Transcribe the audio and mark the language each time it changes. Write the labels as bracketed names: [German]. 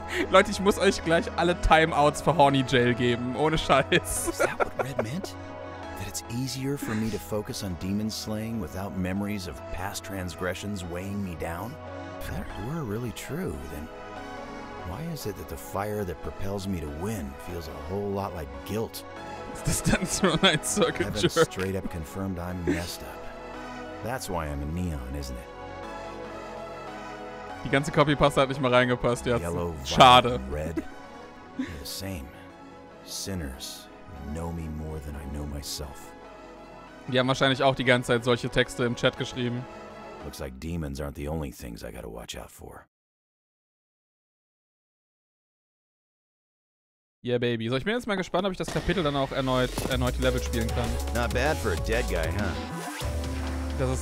[German] Leute, ich muss euch gleich alle Timeouts für Horny Jail geben. Ohne Scheiß. [English] Is that what Red meant? That it's easier for me to focus on demon slaying without memories of past transgressions weighing me down? If that were really true, then... why is it that the fire that propels me to win feels a whole lot like guilt? This dance from a night circuit jerk. Heaven straight up confirmed I'm messed up. That's why I'm a neon, isn't it? [German] Die ganze Copypasta hat nicht mal reingepasst jetzt. [English] Yellow, [German] schade. [English] Violet, red. The same. Sinners know me more than I know myself. [German] Die haben wahrscheinlich auch die ganze Zeit solche Texte im Chat geschrieben. [English] Looks like demons aren't the only things I gotta watch out for. Yeah, baby. [German] So, ich bin jetzt mal gespannt, ob ich das Kapitel dann auch erneut Level spielen kann. [English] Not bad for a dead guy, huh?